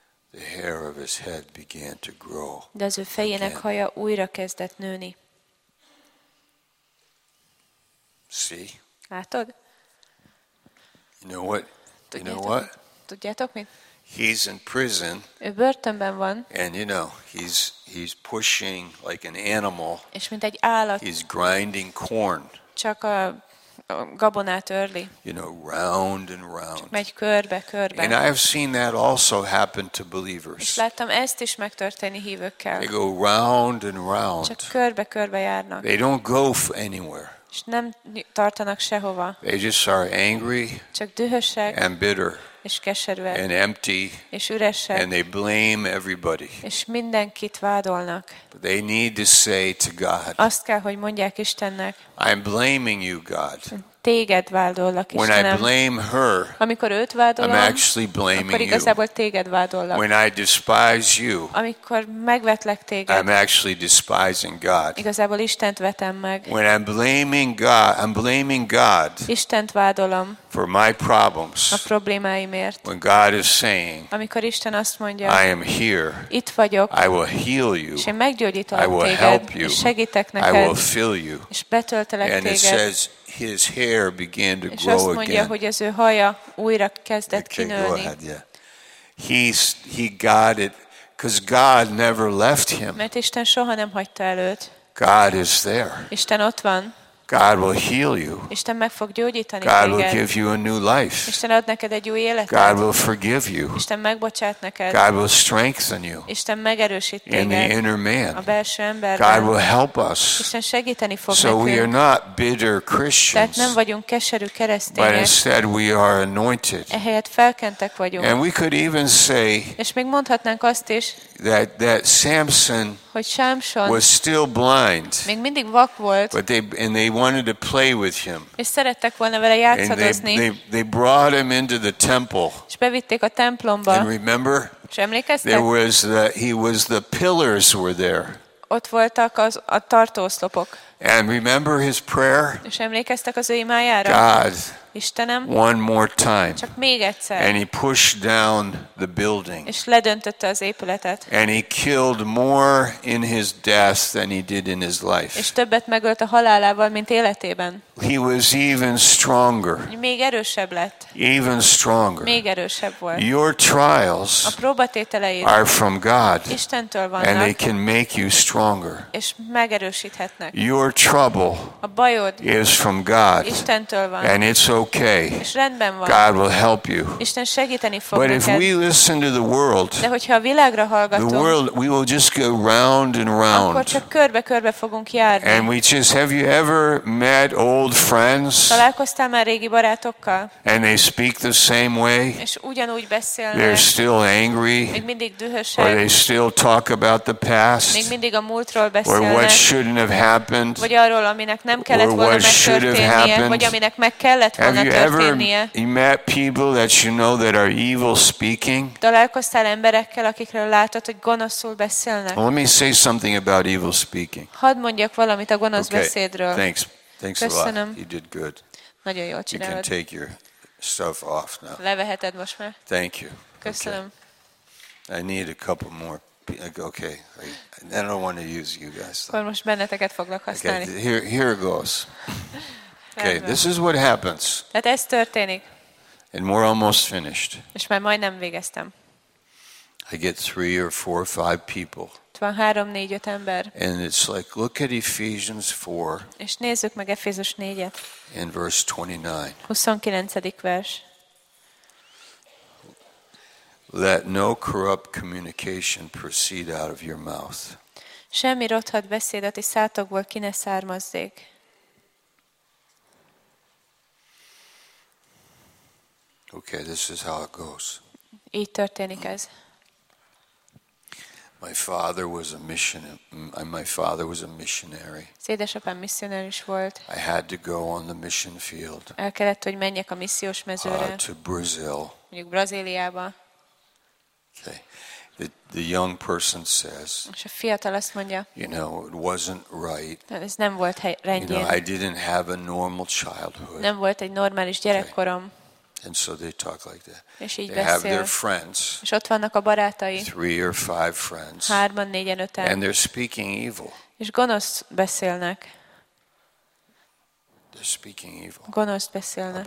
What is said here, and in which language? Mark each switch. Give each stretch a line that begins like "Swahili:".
English: The hair of his head began to grow.
Hungarian: De az ő fejének haja újra kezdett nőni.
English: See?
Hungarian: Látod?
English: You know what?
Hungarian: Tudjátok,
English: you know what?
Hungarian: Tudjátok mit?
English: He's in prison.
Hungarian: Ő börtönben van.
English: And you know, he's pushing like an animal.
Hungarian: És mint egy állat.
English: He's grinding corn.
Hungarian: Csak a gabonát örli.
English: You know, round and round.
Hungarian: Megy körbe, körbe.
English: And I've seen that also happen to believers.
Hungarian: És láttam ezt is megtörténni hívőkkel.
English: They go round and round.
Hungarian: Csak körbe, körbe járnak.
English: They don't go anywhere.
Hungarian: És nem tartanak sehova.
English: They just are angry.
Hungarian: Csak dühösek.
English: And bitter.
Hungarian: És keserűek.
English: And empty.
Hungarian: És üresek.
English: And they blame everybody.
Hungarian: És mindenkit vádolnak.
English: But they need to say to God.
Hungarian: Azt kell, hogy mondják Istennek.
English: I'm blaming you, God.
Hungarian: Téged vádollak, Istenem.
English: When I blame her.
Hungarian: Amikor őt vádolom.
English: I'm actually blaming
Hungarian: you. Akkor igazából téged vádollak.
English: When I despise you.
Hungarian: Amikor megvetlek téged.
English: I'm actually despising God.
Hungarian: Igazából Istent vetem meg.
English: When I'm blaming God. I'm blaming God.
Hungarian: Istent vádolom.
English: For my problems.
Hungarian: A problémáimért.
English: When God is saying.
Hungarian: Amikor Isten azt mondja.
English: I am here.
Hungarian: Itt vagyok.
English: I will heal you.
Hungarian: És én meggyógyítom téged.
English: I will help you.
Hungarian: És segítek neked.
English: I will fill you.
Hungarian: És betöltelek
English: and
Hungarian: téged.
English: And it says his hair began to grow again.
Hungarian: És azt mondja, hogy az ő haja újra kezdett kinőni.
English: Ahead, yeah. He got it because God never left him.
Hungarian: Mert Isten soha nem hagyta el őt.
English: God is there.
Hungarian: Isten ott van.
English: God will heal you.
Hungarian: Isten meg fog gyógyítani téged.
English: God will give you a new life.
Hungarian: Isten ad neked egy új életet.
English: God will forgive you.
Hungarian: Isten megbocsát neked.
English: God will strengthen you.
Hungarian: Isten megerősít téged.
English: In the inner man.
Hungarian: A belső emberben.
English: God will help us.
Hungarian: Isten segíteni fog
English: nekünk. So we are not bitter Christians.
Hungarian: Tehát nem vagyunk keserű keresztények.
English: But instead we are anointed.
Hungarian: Ehelyett felkentek vagyunk.
English: And we could even say.
Hungarian: És még mondhatnánk azt is.
English: That Samson.
Hungarian: Hogy Samson
English: was still blind.
Hungarian: Még mindig vak volt.
English: But they wanted to play with him.
Hungarian: És szerettek volna vele játszadozni.
English: And they brought him into the temple.
Hungarian: És bevitték a templomba.
English: And remember?
Hungarian: És emlékeztek?
English: The pillars were there.
Hungarian: Ott voltak az a tartóoszlopok.
English: And remember his prayer?
Hungarian: És emlékeztek az ő imájára?
English: God,
Hungarian: Istenem.
English: One more time.
Hungarian: Csak még egyszer.
English: And he pushed down the building.
Hungarian: És ledöntötte az épületet.
English: And he killed more in his death than he did in his life.
Hungarian: És többet megölt a halálával, mint életében.
English: He was even stronger.
Hungarian: Még erősebb lett.
English: Even stronger.
Hungarian: Még erősebb volt.
English: Your trials are from God.
Hungarian: Istentől vannak.
English: And they can make you stronger.
Hungarian: És megerősíthetnek.
English: Your trouble
Hungarian: a bajod
English: is from God.
Hungarian: Istentől van.
English: And it's okay.
Hungarian: És rendben van.
English: God will help you.
Hungarian: Isten segíteni fog.
English: But if we listen to the world,
Hungarian: de hogyha a világra hallgatunk,
English: the world, we will just go round and round.
Hungarian: Akkor csak körbe-körbe fogunk járni.
English: And we just, have you ever met old friends?
Hungarian: Találkoztál már régi barátokkal?
English: And they speak the same way.
Hungarian: És ugyanúgy beszélnek.
English: They're still angry.
Hungarian: Még mindig dühösek.
English: Or they still talk about the past.
Hungarian: Még mindig a múltról beszélnek.
English: Or what shouldn't have happened.
Hungarian: Vagy arról, aminek nem kellett volna megtörténnie. Vagy aminek meg kellett volna történnie.
English: Have you ever met people that you know that are evil speaking?
Hungarian: Találkoztál emberekkel, akikről látod, hogy gonoszul beszélnek?
English: Well, let me say something about evil speaking.
Hungarian: Hadd mondjak valamit a gonosz beszédről.
English: Okay. Thanks
Hungarian: köszönöm.
English: A lot. You did good.
Hungarian: Nagyon jól csinálod.
English: You can take your stuff off now.
Hungarian: Leveheted most már.
English: Thank you.
Hungarian: Köszönöm.
English: Okay. I need a couple more. Okay. I don't want to use you guys.
Hungarian: Akkor most benneteket foglak használni.
English: Okay. Here goes. Okay, this is what happens.
Hungarian: Hát ez történik.
English: And we're almost finished.
Hungarian: És már majdnem végeztem.
English: I get 3 or 4 or 5 people.
Hungarian: Van 3-4-5 ember.
English: And it's like, look at Ephesians 4.
Hungarian: És nézzük meg Efézus 4-et.
English: In verse 29.
Hungarian: 29. vers.
English: Let no corrupt communication proceed out of your mouth.
Hungarian: Semmi rothadt beszéd a ti szátokból ki ne származzék.
English: Okay, this is how it goes.
Hungarian: Így történik ez.
English: My father was a missionary.
Hungarian: Az édesapám missionáris volt.
English: I had to go on the mission field.
Hungarian: El kellett, hogy menjek a missziós mezőre.
English: To Brazil.
Hungarian: Mondjuk Brazíliába.
English: Okay. The young person says.
Hungarian: És a fiatal azt mondja.
English: You know, it wasn't right.
Hungarian: Ez nem volt rendjén.
English: You know, I didn't have a normal childhood.
Hungarian: Nem volt egy normális gyerekkorom.
English: Okay. And so they talk like that.
Hungarian: És így
English: they
Hungarian: beszél.
English: Have their friends.
Hungarian: És ott vannak a barátai.
English: 3 or 5 friends.
Hungarian: 3-4-5-en.
English: And they're speaking evil.
Hungarian: És gonosz beszélnek.
English: They're speaking evil.
Hungarian: Gonosz beszélnek.